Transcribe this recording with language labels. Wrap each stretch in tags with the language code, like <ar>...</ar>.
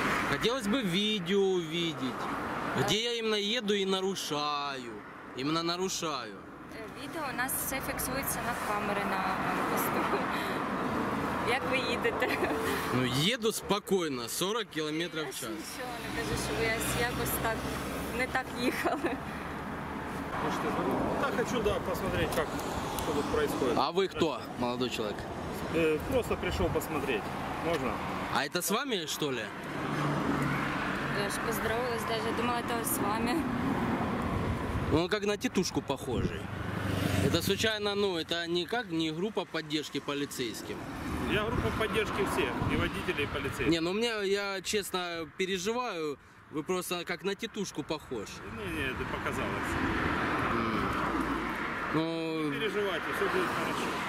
<ru>Хотелось бы видео увидеть, где я именно еду и нарушаю, именно нарушаю. Видео у нас все фиксируется на камеры, на посту.</ru> <uk>Як ви їдете? Ну, їду спокійно, 40 км в час. Я нічого не кажу, що я якось так, не так їхала.</uk> <ru>Можете, ну, так, хочу, да, посмотреть, як що тут происходит.</ru> <uk>А ви хто, молодий чоловік? Просто прийшов посмотреть, можна? А це з вами, що ли? Я ж поздоровилась навіть, думала, це з вами. Ну, як на тітушку похожий.</uk> <ru>Это случайно, ну, это никак не группа поддержки полицейским? Я группа поддержки всех, и водителей, и полицейских. Не, ну, мне, я честно переживаю, вы просто как на тетушку похож. Не, это показалось. Ну, не переживайте, все будет хорошо.</ru>